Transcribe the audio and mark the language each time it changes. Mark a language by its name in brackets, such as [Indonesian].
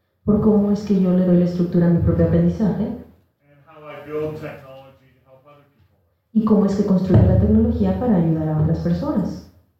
[Spanish] por cómo es que yo le doy la estructura a mi propio aprendizaje, [English] and how I build technology to help other people, [Spanish] y cómo es que construyo la tecnología para ayudar a otras personas.